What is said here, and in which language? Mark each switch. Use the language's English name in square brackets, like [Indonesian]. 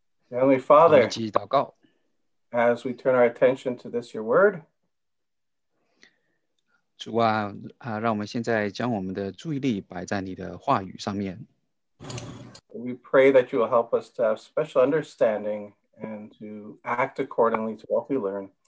[English] Heavenly Father, as we turn our attention to this, your word, [Chinese] 主啊, 让我们现在将我们的注意力摆在你的话语上面。 [English] We pray that you will help us to have special understanding and to act accordingly to what we learn.